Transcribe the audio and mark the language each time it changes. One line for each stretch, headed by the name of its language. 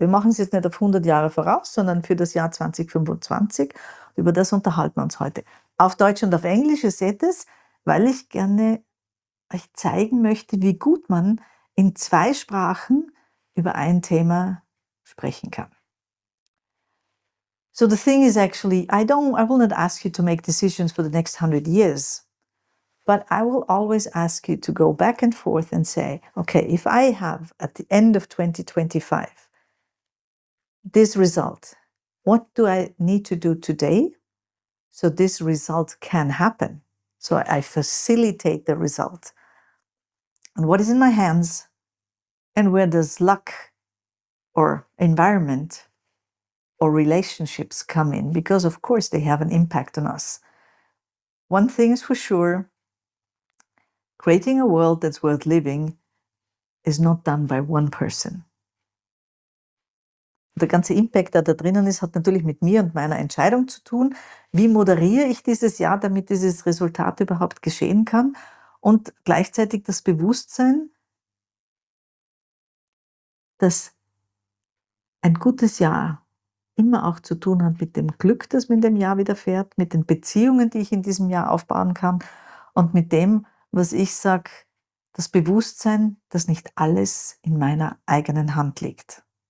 German: Wir machen es jetzt nicht auf 100 Jahre voraus, sondern für das Jahr 2025. Über das unterhalten wir uns heute. Auf Deutsch und auf Englisch, ihr seht es, weil ich gerne euch zeigen möchte, wie gut man in zwei Sprachen über ein Thema sprechen kann.
English: So the thing is actually, I will not ask you to make decisions for the next 100 years. But I will always ask you to go back and forth and say, okay, if I have at the end of 2025 this result, what do I need to do today so this result can happen? So I facilitate the result. And what is in my hands? And where does luck or environment or relationships come in? Because of course they have an impact on us. One thing is for sure. Creating a world that's worth living is not done by one person.
German: Der ganze Impact, der da drinnen ist, hat natürlich mit mir und meiner Entscheidung zu tun. Wie moderiere ich dieses Jahr, damit dieses Resultat überhaupt geschehen kann? Und gleichzeitig das Bewusstsein, dass ein gutes Jahr immer auch zu tun hat mit dem Glück, das mir in dem Jahr widerfährt, mit den Beziehungen, die ich in diesem Jahr aufbauen kann und mit dem, was ich sage, das Bewusstsein, dass nicht alles in meiner eigenen Hand liegt.